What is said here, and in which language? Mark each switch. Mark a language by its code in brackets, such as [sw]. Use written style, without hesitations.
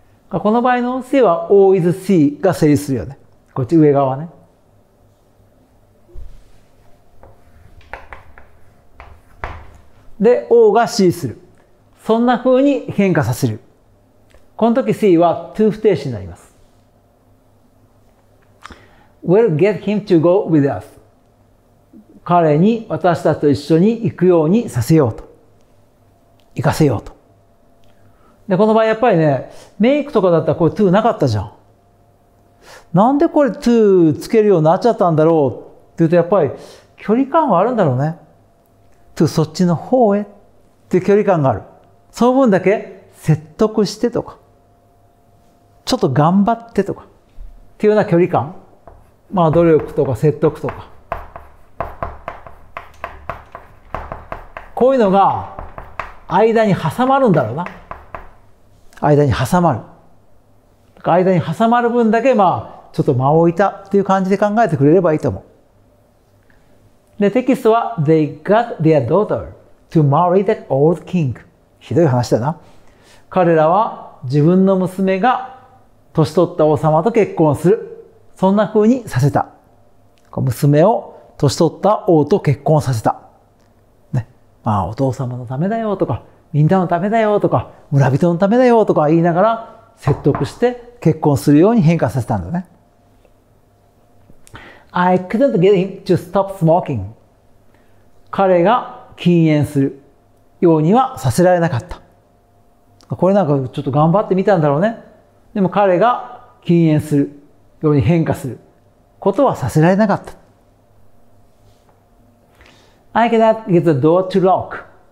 [ja] この場合の音声は O is C が成立するよね。こっち上側ね。で、O が C する。そんな風に変化させる。この時 C は2不定詞になります。 [en] We'll get him to go with us. [ja] 彼に私たちと一緒に行くようにさせようと。行かせようと。で、この場合やっぱりね、メイクとかだったらこれ to なかったじゃん。なんでこれ to つけるようになっちゃったんだろうって言うと、やっぱり距離感はあるんだろうね。 to そっちの方へっていう距離感がある。その分だけ説得してとか、ちょっと頑張ってとか、っていうような距離感。まあ努力とか説得とか。こういうのが間に挟まるんだろうな。間に挟まる。間に挟まる分だけ、まあ、ちょっと間を置いたっていう感じで考えてくれればいいと思う。で、テキストは、 [en] They got their daughter to marry the old king. [ja] ひどい話だな。彼らは自分の娘が年取った王様と結婚する。そんな風にさせた。娘を年取った王と結婚させた。ね。まあ、お父様のためだよとか。みんなのためだよとか、村人のためだよとか言いながら説得して結婚するように変化させたんだね。 [en] I couldn't get him to stop smoking. [ja] 彼が禁煙するようにはさせられなかった。これなんかちょっと頑張ってみたんだろうね。でも彼が禁煙するように変化することはさせられなかった。 [en] I cannot get the door to lock.